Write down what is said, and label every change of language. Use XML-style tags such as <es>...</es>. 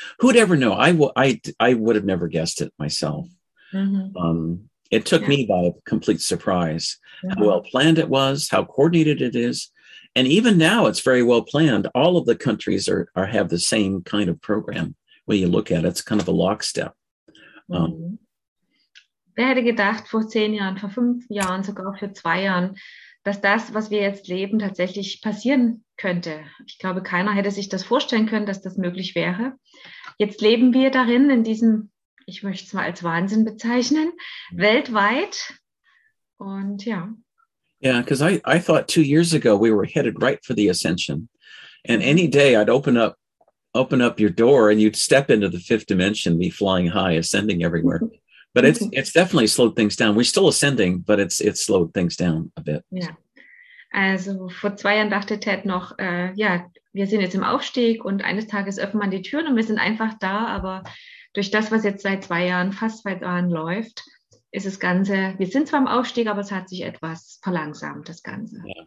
<en>Who'd ever know? I would have never guessed it myself. Mm-hmm. It took me by a complete surprise. Mm-hmm. How well planned it was, how coordinated it is. And even now it's very well planned. All of the countries have the same kind of program when you look at it. It's kind of a lockstep. Mm-hmm.</en> <de>Wer hätte gedacht, vor 10 Jahren, vor 5 Jahren, sogar vor 2 Jahren, dass das, was wir jetzt leben, tatsächlich passieren könnte. Ich glaube, keiner hätte sich das vorstellen können, dass das möglich wäre. Jetzt leben wir darin, in diesem, ich möchte es mal als Wahnsinn bezeichnen, weltweit. Und ja.</de> <en>Yeah, because I thought 2 years ago we were headed right for the ascension. And any day I'd open up your door and you'd step into the fifth dimension, be flying high, ascending everywhere. But it's definitely slowed things down. We're still ascending, but it's slowed things down a bit.</en> <de>Ja. Also vor 2 Jahren dachte Ted noch, wir sind jetzt im Aufstieg und eines Tages öffnet man die Türen und wir sind einfach da. Aber durch das, was jetzt seit 2 Jahren, fast 2 Jahren läuft, ist das Ganze, wir sind zwar im Aufstieg, aber es hat sich etwas verlangsamt, das Ganze.</de>